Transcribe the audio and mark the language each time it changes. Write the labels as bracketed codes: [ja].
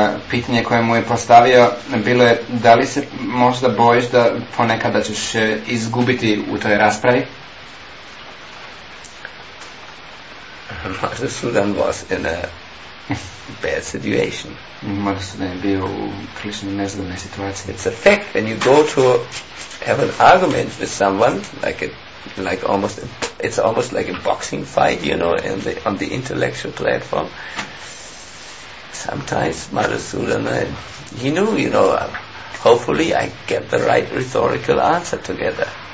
[hr] Pitanje koje mu je postavio bilo je, da li se možda bojiš da ponekad da ćeš izgubiti u toj raspravi? [en] Madhusudan was in a bad situation. [hr] Madhusudan je bio u prilično nezgodnoj situaciji. [en] It's a fact when you go to have an argument with someone, like it's almost like a boxing fight, you know, on the intellectual platform. Sometimes Madhusudan, he knew, you know, hopefully I get the right rhetorical answer together.